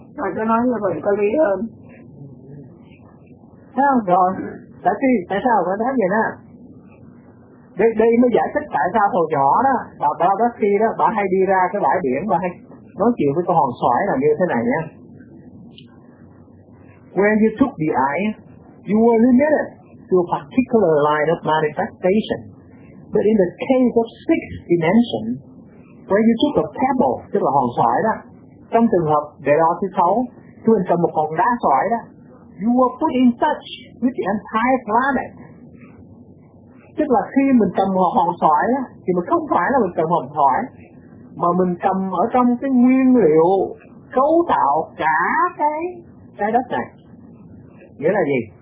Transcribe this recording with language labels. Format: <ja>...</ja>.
<vi>Bà cứ nói là vậy, tôi lý hơn. Thấy không? Rồi. Tại sao bà nói vậy nè? Đây mới giải thích tại sao hồi nhỏ đó, bà bao đất kia đó, bà hay đi ra cái bãi biển, bà hay nói chuyện với con hòn xoải là như thế này nha.</vi> <en>When you took the eye, you were limited to a particular line of manifestation. But in the case of sixth dimension, when you took a pebble,</en> <vi>tức là hòn xoải đó,</vi> <en>trong trường hợp để đó thứ 6, tôi cần một hòn đá xoải đó, you were put in touch with the entire planet.</en> <vi>Tức là khi mình cầm hòn xoải á, thì mình không phải là mình cầm hòn xoải, mà mình cầm ở trong cái nguyên liệu cấu tạo cả cái trái đất này. Nghĩa là gì?</vi>